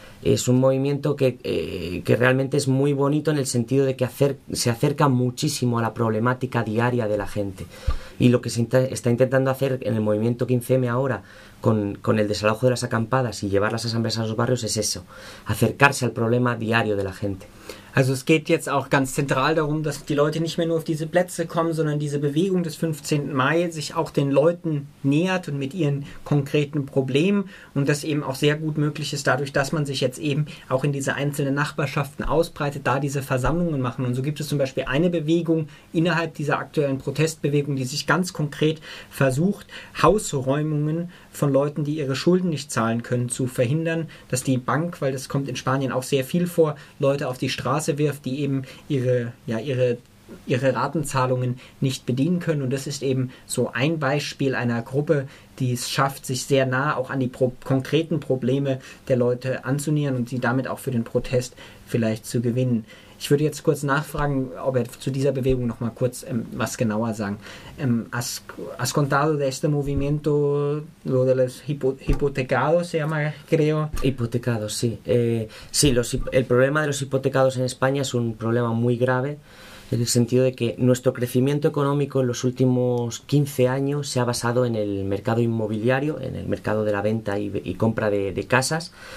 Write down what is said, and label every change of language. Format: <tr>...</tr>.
<es>Es un movimiento que realmente es muy bonito en el sentido de que se acerca muchísimo a la problemática diaria de la gente. Y lo que se está intentando hacer en el movimiento 15M ahora, con el desalojo de las acampadas y llevar las asambleas a los barrios, es eso, acercarse al problema diario de la gente.</es> <de>Also es geht jetzt auch ganz zentral darum, dass die Leute nicht mehr nur auf diese Plätze kommen, sondern diese Bewegung des 15. Mai sich auch den Leuten nähert und mit ihren konkreten Problemen, und das eben auch sehr gut möglich ist dadurch, dass man sich jetzt eben auch in diese einzelnen Nachbarschaften ausbreitet, da diese Versammlungen machen. Und so gibt es zum Beispiel eine Bewegung innerhalb dieser aktuellen Protestbewegung, die sich ganz konkret versucht, Hausräumungen von Leuten, die ihre Schulden nicht zahlen können, zu verhindern, dass die Bank, weil das kommt in Spanien auch sehr viel vor, Leute auf die Straße wirft, die eben ihre Ratenzahlungen nicht bedienen können. Und das ist eben so ein Beispiel einer Gruppe, die es schafft, sich sehr nah auch an die konkreten Probleme der Leute anzunähern und sie damit auch für den Protest vielleicht zu gewinnen. Ich würde jetzt kurz nachfragen, ob er zu dieser Bewegung noch mal kurz was genauer sagen.</de> <es>Has contado de este movimiento, lo de los hipotecados, se llama, creo. Hipotecados, sí. Sí, el problema de los hipotecados en España es un problema muy grave, en el sentido de que nuestro crecimiento económico en los últimos 15 años se ha basado en el mercado inmobiliario, en el mercado de la venta y compra de casas.</es>